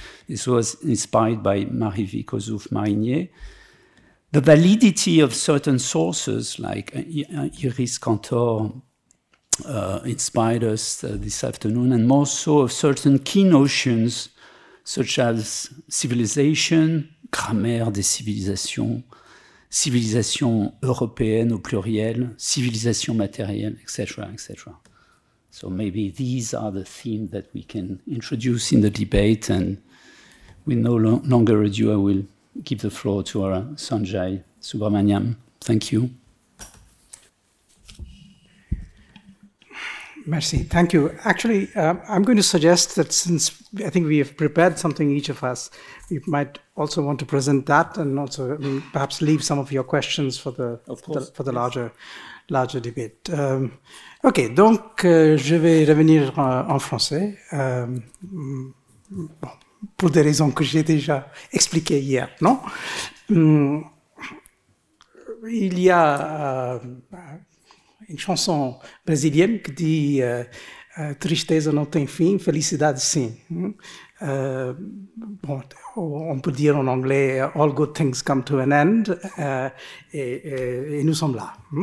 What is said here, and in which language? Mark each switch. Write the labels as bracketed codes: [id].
[en] This was inspired by Marie-Vie Kossouf-Marinier. The validity of certain sources, like Iris Cantor, inspired us this afternoon, and more so of certain key notions, such as civilisation. [fr] Grammaire des civilisations, civilisation européenne au pluriel, civilisation matérielle, etc., etc. [en] So maybe these are the themes that we can introduce in the debate, and with no longer ado, I will give the floor to our Sanjay Subramaniam. Thank you. Merci. Thank you. Actually, I'm going to suggest that since I think we have prepared something, each of us, we might also want to present that and also perhaps leave some of your questions for Of course. For the larger debate. [fr] Okay, donc je vais revenir en français bon, pour des raisons que j'ai déjà expliquées hier, non? Il y a une chanson brésilienne qui dit [pt] Tristeza não tem fim, felicidade sim. [fr] Bon, on peut dire en anglais « [en] All good things come to an end [fr] » et nous sommes là.